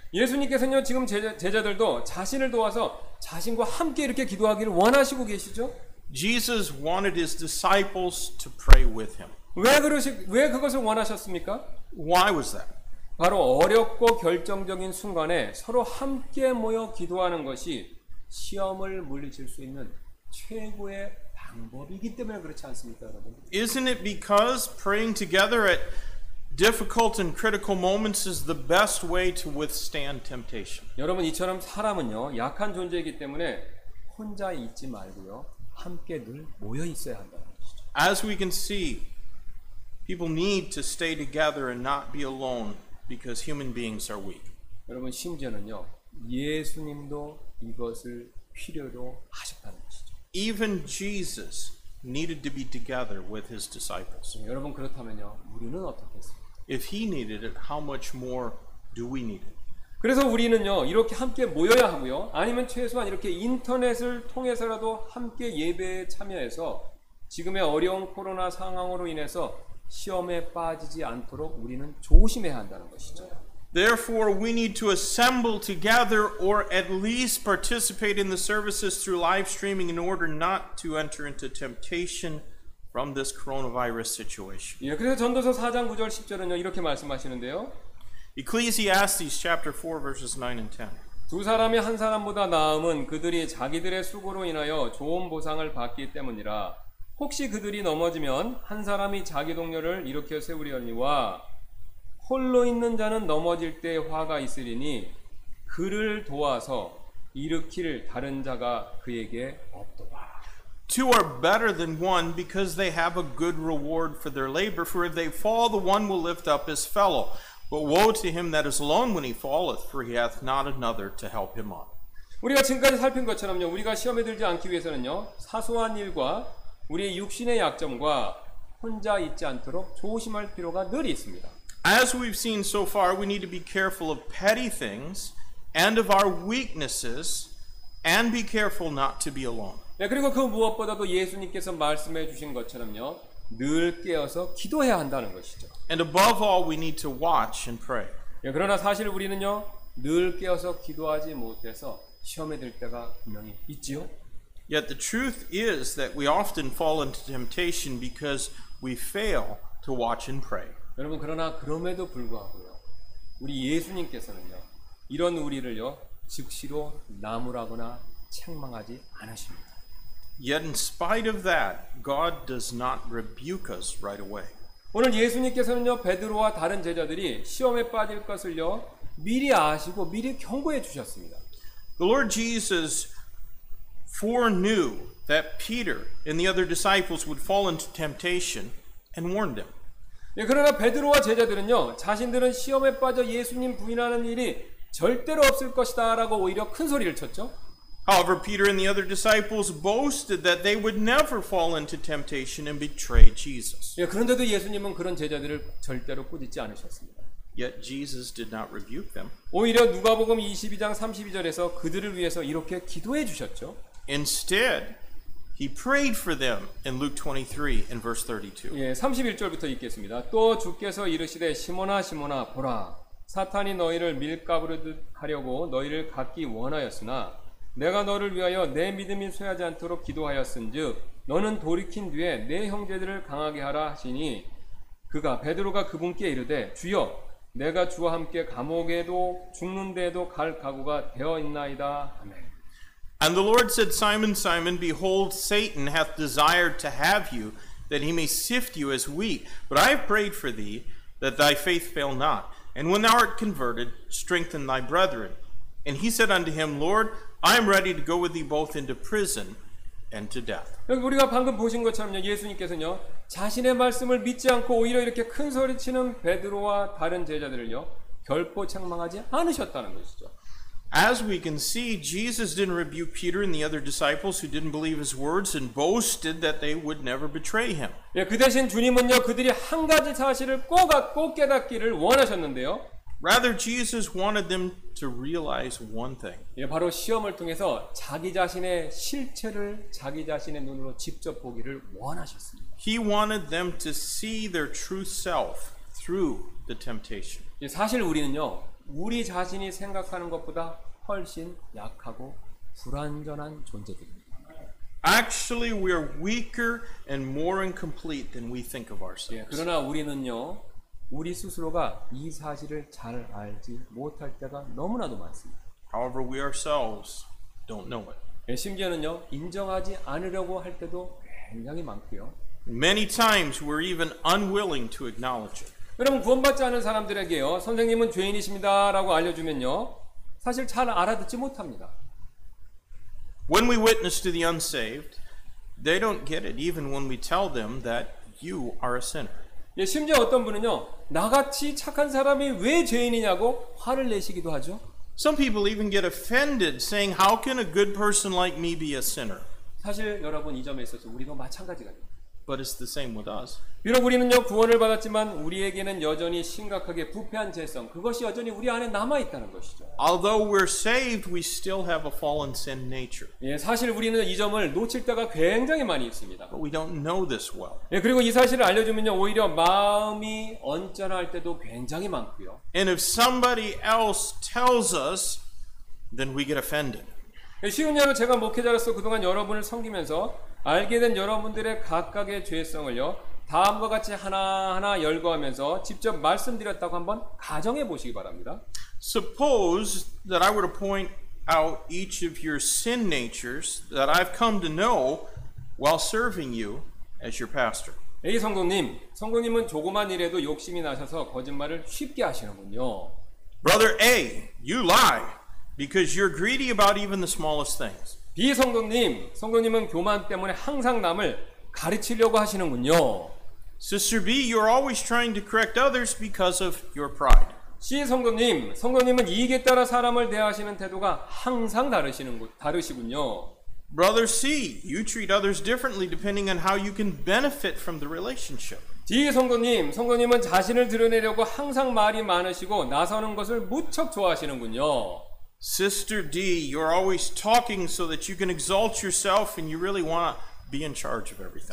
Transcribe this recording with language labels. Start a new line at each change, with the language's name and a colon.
Korean: 예수님께서는요, 지금 제자들도 자신을 도와서 자신과 함께 이렇게 기도하기를 원하시고 계시죠?
English: Jesus wanted his disciples to pray with him.
Korean: 왜 그것을 원하셨습니까?
English: Why was that?
Korean: 바로 어렵고 결정적인 순간에 서로 함께 모여 기도하는 것이 시험을 물리칠 수 있는 최고의 방법이기 때문에 그렇지 않습니까, 여러분?
English: Isn't it because praying together at difficult and critical moments is the best way to withstand temptation?
Korean: 여러분, 이처럼 사람은요, 약한 존재이기 때문에 혼자 있지 말고요, 함께 늘 모여 있어야 한다는 것이죠.
English: As we can see, people need to stay together and not be alone because human beings are weak.
Korean: 여러분, 심지어는요, 예수님도 이것을 필요로 하셨다는 것이죠.
English: Even Jesus needed to be together with his disciples.
Korean: 여러분, 그렇다면요, 우리는 어떻겠습니까?
English: If he needed it, how much more do we need it?
Korean: 그래서 우리는요, 이렇게 함께 모여야 하고요, 아니면 최소한 이렇게 인터넷을 통해서라도 함께 예배에 참여해서 지금의 어려운 코로나 상황으로 인해서 시험에 빠지지 않도록 우리는 조심해야 한다는 것이죠.
English: Therefore, we need to assemble together or at least participate in the services through live streaming in order not to enter into temptation from this coronavirus situation.
Korean: 예, 그래서 전도서 4장 9절 10절은요, 이렇게 말씀하시는데요.
English: Ecclesiastes chapter 4 verses 9 and 10.
Korean: 두 사람이 한 사람보다 나음은 그들이 자기들의 수고로 인하여 좋은 보상을 받기 때문이라. 혹시 그들이 넘어지면 한 사람이 자기 동료를 일으켜 세우려니와 홀로 있는 자는 넘어질 때 화가 있으리니 그를 도와서 일으킬 다른 자가 그에게 없도다.
English: Two are better than one because they have a good reward for their labor. For if they fall, the one will lift up his fellow. But woe to him that is alone when he falleth, for he hath not another to help him up.
Korean: 우리가 지금까지 살핀 것처럼요, 우리가 시험에 들지 않기 위해서는요, 사소한 일과 우리의 육신의 약점과 혼자 있지 않도록 조심할 필요가 늘 있습니다.
English: As we've seen so far, we need to be careful of petty things and of our weaknesses and be careful not to be alone.
Korean: 네, 그리고 그 무엇보다도 예수님께서 말씀해 주신 것처럼요, 늘 깨어서 기도해야 한다는 것이죠.
English: And above all, we need to watch and pray.
Korean: 네, 그러나 사실 우리는요, 늘 깨어서 기도하지 못해서 시험에 들 때가 분명히 있지요.
English: Yet the truth is that we often fall into temptation because we fail to watch and pray.
Korean: 여러분, 그러나 그럼에도 불구하고요, 우리 예수님께서는요, 이런 우리를요, 즉시로 나무라거나 책망하지 않으십니다.
English: Yet in spite of that, God does not rebuke us right away.
Korean: 오늘 예수님께서는요, 베드로와 다른 제자들이 시험에 빠질 것을요, 미리 아시고 미리 경고해 주셨습니다.
English: The Lord Jesus foreknew that Peter and the other disciples would fall into temptation and warned them.
Korean: 예, 그러나 베드로와 제자들은요, 자신들은 시험에 빠져 예수님 부인하는 일이 절대로 없을 것이다라고 오히려 큰 소리를 쳤죠.
English: However, Peter and the other disciples boasted that they would never fall into temptation and betray Jesus.
Korean: 예, 그런데도 예수님은 그런 제자들을 절대로 꾸짖지 않으셨습니다.
English: Yet Jesus did not rebuke them.
Korean: 오히려 누가복음 22장 32절에서 그들을 위해서 이렇게 기도해 주셨죠.
English: Instead, he prayed for them in Luke 23 and verse 32.
Korean: 예, 31절부터 읽겠습니다. 또 주께서 이르시되 시몬아 시몬아 보라 사탄이 너희를 밀가부르듯 하려고 너희를 갖기 원하였으나 내가 너를 위하여 내 믿음이 쇠하지 않도록 기도하였은즉 너는 돌이킨 뒤에 내 형제들을 강하게 하라 하시니 그가 베드로가 그분께 이르되 주여 내가 주와 함께 감옥에도 죽는데도 갈 각오가 되어 있나이다. 아멘.
English: And the Lord said, Simon, Simon, behold, Satan hath desired to have you, that he may sift you as wheat. But I have prayed for thee, that thy faith fail not. And when thou art converted, strengthen thy brethren. And he said unto him, Lord, I am ready to go with thee both into prison and to death.
Korean: 우리가 방금 보신 것처럼요, 예수님께서는요, 자신의 말씀을 믿지 않고 오히려 이렇게 큰 소리 치는 베드로와 다른 제자들을요, 결코 책망하지 않으셨다는 것이죠.
English: As we can see, Jesus didn't rebuke Peter and the other disciples who didn't believe his words and boasted that they would never betray him.
Korean: 예, 그 대신 주님은요, 그들이 한 가지 사실을 꼭 깨닫기를 원하셨는데요.
English: Rather, Jesus wanted them to realize one thing.
Korean: 예, 바로 시험을 통해서 자기 자신의 실체를 자기 자신의 눈으로 직접 보기를 원하셨습니다.
English: He wanted them to see their true self through the temptation.
Korean: 예, 사실 우리는요, 우리 자신이 생각하는 것보다 훨씬 약하고 불완전한 존재들입니다.
English: Actually, we are weaker and more incomplete than we think of ourselves.
Korean: 예, 그러나 우리는요, 우리 스스로가 이 사실을 잘 알지 못할 때가 너무나도 많습니다.
English: However, we ourselves don't know it.
Korean: 예, 심지어는요, 인정하지 않으려고 할 때도 굉장히 많고요.
English: Many times we're even unwilling to acknowledge it.
Korean: 여러분 구원받지 않은 사람들에게요, 선생님은 죄인이십니다라고 알려주면요, 사실 잘 알아듣지 못합니다.
English: When we witness to the unsaved, they don't get it even when we tell them that you are a sinner.
Korean: 예, 심지어 어떤 분은요, 나같이 착한 사람이 왜 죄인이냐고 화를 내시기도 하죠.
English: Some people even get offended saying, how can a good person like me be a sinner?
Korean: 사실 여러분 이 점에 있어서 우리도 마찬가지가 돼요.
English: But it's the same with us.
Korean: 비록 우리는요 구원을 받았지만 우리에게는 여전히 심각하게 부패한 죄성 그것이 여전히 우리 안에 남아 있다는 것이죠.
English: Although we're saved, we still have a fallen sin nature.
Korean: 예, 사실 우리는 이 점을 놓칠 때가 굉장히 많이 있습니다.
English: But we don't know this well.
Korean: 예, 그리고 이 사실을 알려주면요 오히려 마음이 언짢아할 때도 굉장히 많고요.
English: And if somebody else tells us, then we get offended.
Korean: 예, 쉬운 예로 제가 목회자로서 그동안 여러분을 섬기면서 알게 된 여러분들의 각각의 죄성을요 다음과 같이 하나하나 열거하면서 직접 말씀드렸다고 한번 가정해 보시기 바랍니다.
English: Suppose that I were to point out each of your sin natures that I've come to know while serving you as your pastor.
Korean: 에이 성도님, 성도님은 조그만 일에도 욕심이 나셔서 거짓말을 쉽게 하시는군요.
English: Brother A, you lie because you're greedy about even the smallest things.
Korean: B 성도님, 성도님은 교만 때문에 항상 남을 가르치려고 하시는군요.
English: Sister B, you're always trying to correct others because of your pride.
Korean: C 성도님, 성도님은 이익에 따라 사람을 대하시는 태도가 항상 다르시군요.
English: Brother C, you treat others differently depending on how you can benefit from the relationship.
Korean: D 성도님, 성도님은 자신을 드러내려고 항상 말이 많으시고 나서는 것을 무척 좋아하시는군요.
English: Sister D, you're always talking so that you can exalt yourself and you really want to be in charge of everything.